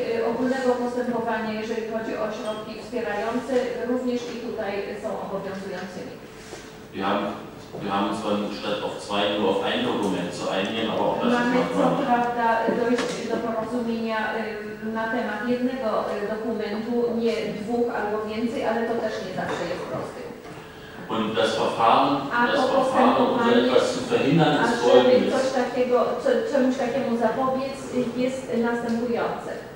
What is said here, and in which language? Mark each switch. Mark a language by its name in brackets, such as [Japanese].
[Polish] Ogólnego postępowania, jeżeli chodzi o środki wspierające, również i tutaj są obowiązującymi. [German] Wir haben zwar statt auf zwei nur auf ein Dokument zu einigen, aber auch das [Polish] mamy co prawda dojść do porozumienia na temat jednego dokumentu, nie dwóch albo więcej, ale to też nie zawsze jest proste. [German] Und das Verfahren, um etwas zu verhindern, ist folgendes. [Polish] Coś takiego, czemuś takiemu zapobiec, jest następujące.